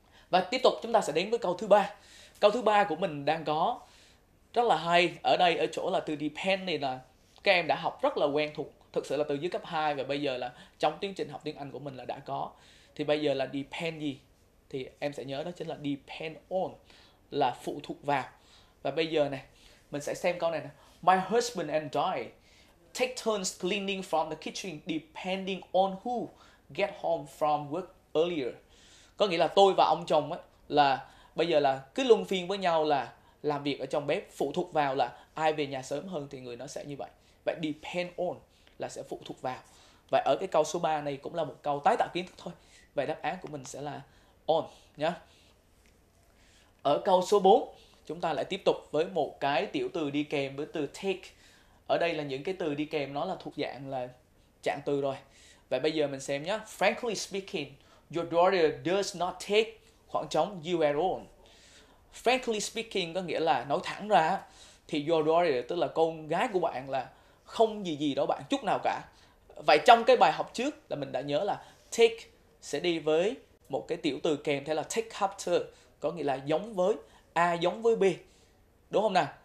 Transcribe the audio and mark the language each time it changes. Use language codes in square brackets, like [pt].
[vi] Và tiếp tục chúng ta sẽ đến với câu thứ ba. Câu thứ ba của mình đang có rất là hay ở đây, ở chỗ là từ depend này là các em đã học rất là quen thuộc, thực sự là từ dưới cấp 2 và bây giờ là trong tiến trình học tiếng Anh của mình là đã có. Thì bây giờ là depend gì? Thì em sẽ nhớ đó chính là depend on, là phụ thuộc vào. Và bây giờ này, mình sẽ xem câu này nè. [en] My husband and I take turns cleaning from the kitchen depending on who get home from work earlier. [vi] Có nghĩa là tôi và ông chồng ấy, là bây giờ là cứ luân phiên với nhau là làm việc ở trong bếp, phụ thuộc vào là ai về nhà sớm hơn thì người nó sẽ như vậy. Vậy depend on là sẽ phụ thuộc vào. Vậy ở cái câu số 3 này cũng là một câu tái tạo kiến thức thôi. Vậy đáp án của mình sẽ là on nhá. Ở câu số 4, chúng ta lại tiếp tục với một cái tiểu từ đi kèm với từ take. Ở đây là những cái từ đi kèm nó là thuộc dạng là trạng từ rồi. Vậy bây giờ mình xem nhá. [en] Frankly speaking, your daughter does not take [vi] khoảng trống [en] you at all. Frankly speaking [vi] có nghĩa là nói thẳng ra thì [en] your daughter [vi] tức là con gái của bạn là không gì gì đó bạn chút nào cả. Vậy trong cái bài học trước là mình đã nhớ là take sẽ đi với một cái tiểu từ kèm theo là take after, có nghĩa là giống với A, giống với B. Đúng không nào?